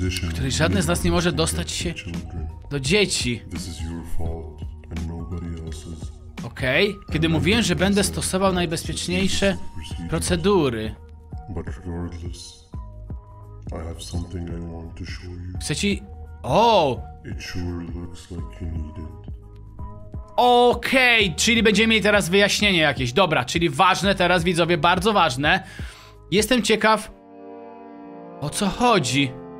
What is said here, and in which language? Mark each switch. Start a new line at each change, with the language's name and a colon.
Polish: Której żadne z nas nie może dostać się do dzieci.
English: This is your fault and nobody else's.
Polish: Okej, okay. Kiedy mówiłem, że będę stosował najbezpieczniejsze procedury.
English: But regardless, I have something I want to show you.
Polish: Chcę ci...
English: It sure looks like you need it.
Polish: Okej, czyli będziemy mieli teraz wyjaśnienie jakieś. Dobra, czyli ważne teraz, widzowie, bardzo ważne. Jestem ciekaw, o co chodzi.